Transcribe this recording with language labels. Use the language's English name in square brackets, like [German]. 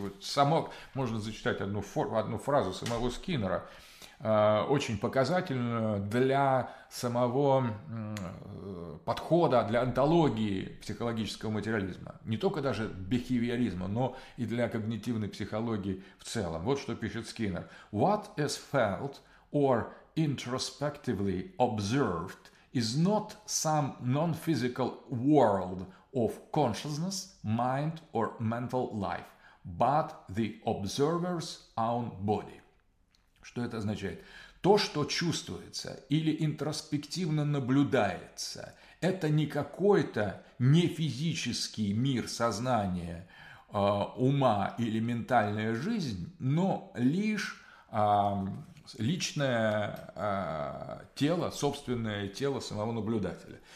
[Russian] Вот само, можно зачитать одну фразу самого Скиннера, очень показательно для самого подхода, для онтологии психологического материализма. Не только даже бихевиоризма, но и для когнитивной психологии в целом. Вот что пишет Скиннер. [English] What is felt or introspectively observed is not some non-physical world of consciousness, mind or mental life, but the observer's own body. [Russian] Что это означает? То, что чувствуется или интроспективно наблюдается, это не какой-то нефизический мир сознания, ума или ментальная жизнь, но лишь личное тело, собственное тело самого наблюдателя.